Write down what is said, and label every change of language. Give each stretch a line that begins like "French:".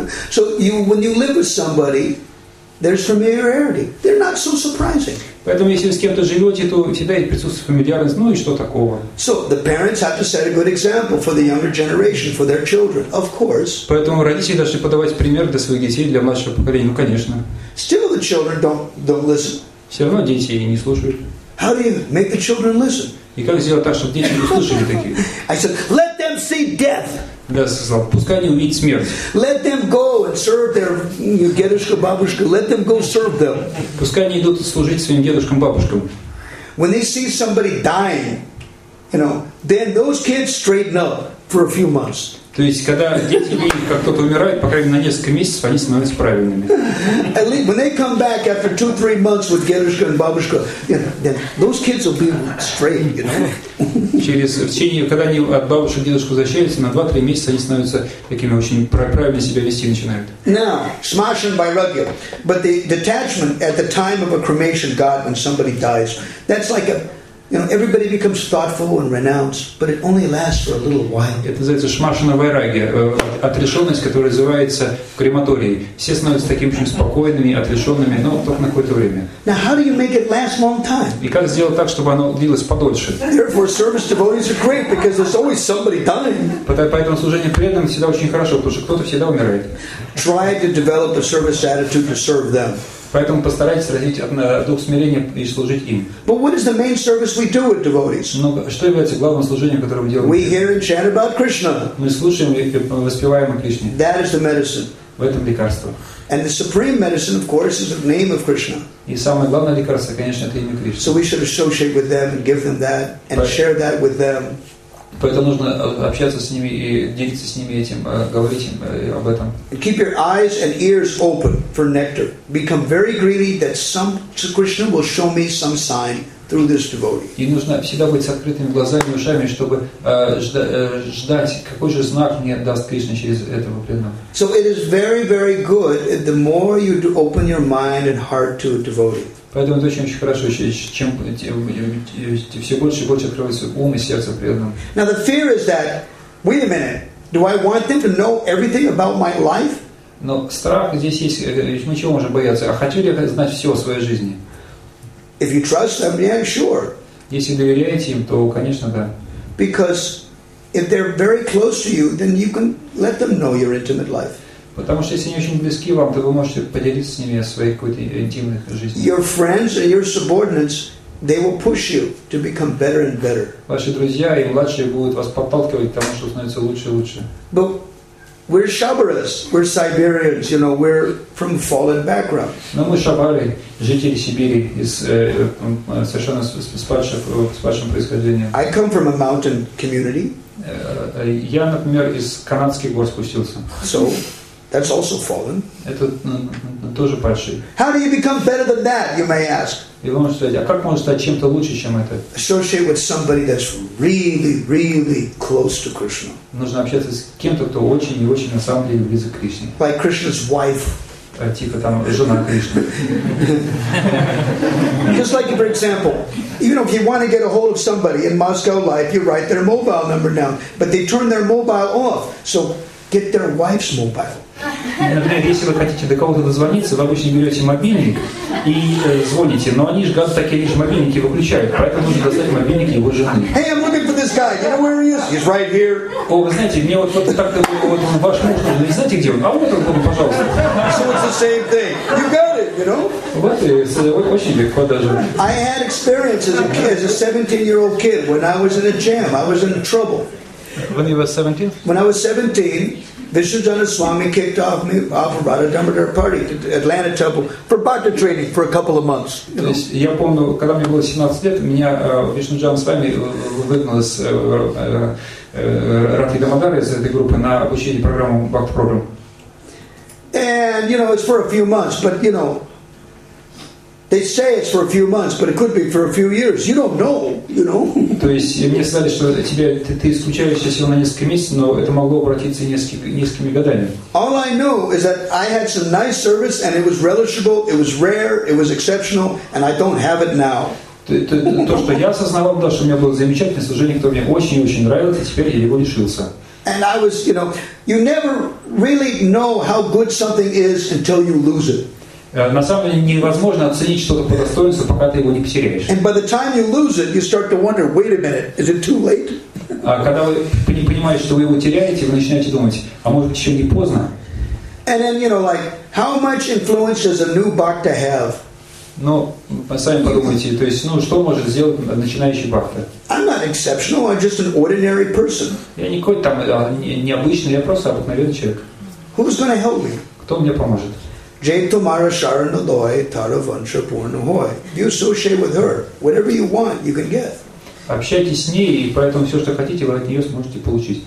English: So you, when you live with somebody, there's familiarity. They're not so surprising.
Russian: Поэтому, если вы с кем-то живете, то всегда есть присутствие фамильярности. Ну и что такого?
English: So the parents have to set a good example for the younger generation, for their children, of course.
Russian: Поэтому родители должны подавать пример для своих детей, для младшего поколения. Ну, конечно.
English: Still the children don't listen.
Russian: Все равно дети не слушают.
English: How do you make the children listen?
Russian: И как сделать так, чтобы дети не слушали таких?
English: I said, let them see death.
Russian: Да, сказал, пускай они увидят смерть.
English: Let them go and serve their
Russian: дедушка, бабушка.
English: Let them go serve them.
Russian: Пускай они идут служить своим дедушкам, бабушкам.
English: When they see somebody dying, you know, then those kids straighten up for a few months.
Russian: То есть, когда дети видят, как кто-то умирает, по крайней мере, на несколько месяцев, они становятся правильными.
English: At least when they come back after 2-3 months with
Russian: дедушка
English: and
Russian: бабушка,
English: you know, then those kids will be straight, you know.
Russian: Через, в течение, когда они от бабушек и дедушек возвращаются, на 2-3 месяца они становятся такими очень правильно себя вести начинают.
English: Now, smashen by rugya. But the detachment at the time of a cremation god when somebody dies, that's like a, you know, everybody becomes thoughtful and renounced, but it only lasts for a little while.
Russian: Это называется шмашина вайрагия, отрешенность, которая называется в крематории. Все становятся такими очень спокойными, отрешенными, но только на какое-то время.
English: Now, how do you make it last long time?
Russian: И как сделать так, чтобы оно длилось подольше?
English: Therefore, service devotees are great because there's always somebody dying.
Russian: Поэтому служение преданным всегда очень хорошо, потому что кто-то всегда умирает.
English: Try to develop a service attitude to serve them.
Russian: Поэтому постарайтесь развить дух смирения и служить им.
English: But what is the main service we do with devotees?
Russian: Но что является главным служением, которое мы делаем?
English: We hear and chant about Krishna.
Russian: Мы слушаем и воспеваем о Кришне.
English: That is the medicine.
Russian: В этом лекарство.
English: And the supreme medicine, of course, is the name of Krishna.
Russian: И самое главное лекарство, конечно, это имя Кришны.
English: So we should associate with them and give them that and share that with them.
Russian: Поэтому нужно общаться с ними и делиться с ними этим, говорить им об этом.
English: Keep your eyes and ears open for nectar. Become very greedy that some Krishna will show me some sign through this devotee.
Russian: И нужно всегда быть с открытыми глазами и ушами, чтобы ждать, какой же знак мне даст Кришна через этого преданного.
English: So it is very, very good the more you do open your mind and heart to a devotee.
Russian: Поэтому это очень-очень хорошо, чем все больше и больше открывается ум и сердце преданному.
English: Now the fear is that, wait a minute, do I want them to know everything about my life?
Russian: Но страх здесь есть, мы чего можем бояться? А хочу ли я знать все о своей жизни?
English: If you trust them, yeah, sure.
Russian: Если доверяете им, то, конечно, да.
English: Because if they're very close to you, then you can let them know your intimate life.
Russian: Потому что если они очень близки вам, то вы можете поделиться с ними о своей какой-то интимной жизни.
English: Your friends and your subordinates, they will push you to become better and better.
Russian: Ваши друзья и младшие будут вас подталкивать к тому, что становится лучше и лучше.
English: But we're Shabaras, we're Siberians, you know, we're from fallen background.
Russian: Но мы Шабары, жители Сибири, из совершенно с падшим происхождением.
English: I come from a mountain community.
Russian: Я, например, из канадских гор спустился.
English: So. That's also fallen.
Russian: Это тоже падший.
English: How do you become better than that, you may ask?
Russian: И вы можете сказать, а как можно стать чем-то лучше, чем это?
English: Associate with somebody that's really, really close to Krishna.
Russian: Нужно общаться с кем-то, кто очень и очень на самом деле близок к Кришне.
English: Like Krishna's wife.
Russian: Типа там жена Кришны.
English: Just like, for example, even if you want to get a hold of somebody in Moscow life, you write their mobile number down, but they turn their mobile off. So get their wife's mobile.
Russian: Например, если вы хотите до кого-то дозвониться, вы обычно берете мобильник и звоните. Но они же, гады такие, лишь мобильники выключают. Поэтому нужно достать мобильник его жены.
English: Hey, I'm looking for this guy. You know where he is? He's right here.
Russian: О, вы знаете, мне вот так-то вот ваш муж, вы не знаете, где он? А вот он, пожалуйста.
English: So it's the same thing. You got it, you know?
Russian: Вот и очень легко даже.
English: I had experience as a kid, as a 17-year-old kid, when I was in a jam. I was in trouble. When you were 17? When I was 17, Vishwajana Swami kicked off me off of Radha Damodar party at Atlanta Temple for bhakti training for a couple of months.
Russian: То есть я помню, когда мне было 17 лет, меня Вишнуджана Свами выгнал из Радхи Дамодара из этой группы на обучение программу бхакти программ.
English: And you know, it's for a few months, but you know, they say it's for a few months, but it could be for a few years. You don't know, you know.
Russian: То есть мне сказали, что ты исключаешься всего на несколько месяцев, но это могло обратиться несколькими годами.
English: All I know is that I had some nice service, and it was relishable, it was rare, it was exceptional, and I don't have it now.
Russian: То, что я осознавал, что у меня было замечательное служение, кто мне очень и очень нравился, и теперь я его лишился.
English: And I was, you know, you never really know how good something is until you lose it.
Russian: На самом деле невозможно оценить что-то по достоинству, пока ты его не потеряешь.
English: And by the time you lose it, you start to wonder, wait a minute, is it too late?
Russian: А когда вы понимаете, что вы его теряете, вы начинаете думать, а может быть еще не поздно?
English: And then, you know, like, how much influence does a new bhakta have?
Russian: Ну, сами подумайте, то есть, ну, что может сделать начинающий бхакта?
English: I'm not exceptional, I'm just an ordinary person.
Russian: Я не какой-то там необычный, я просто обыкновенный человек.
English: Who's going to help me?
Russian: Кто мне поможет?
Bangla: Jaito Mara Sharanaloy Taravansha Purnahoy.
English: You associate with her. Whatever you want, you can get.
Russian: Общайтесь с ней, и поэтому все, что хотите, вы от нее сможете получить.